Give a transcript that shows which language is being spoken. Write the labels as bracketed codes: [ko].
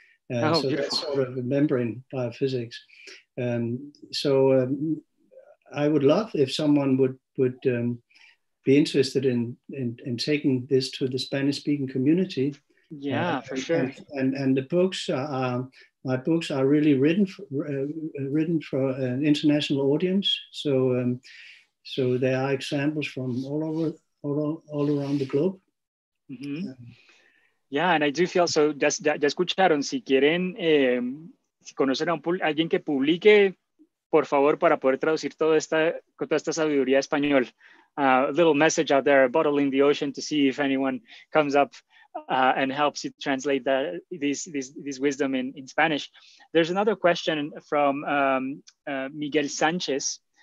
[en] That's sort of membrane biophysics. I would love if someone would be interested in taking this to the Spanish speaking community. Yeah, for sure. And the books are. My books are really written for an international audience, so there are examples from all around the globe. Mm-hmm. Yeah, and I do feel so. [es] Ya escucharon, si quieren, si conocen a alguien que publique, por favor, para poder traducir toda esta sabiduría español. [en] A little message out there, a bottle in the ocean, to see if anyone comes up. And helps you translate this wisdom in Spanish. There's another question from Miguel Sanchez.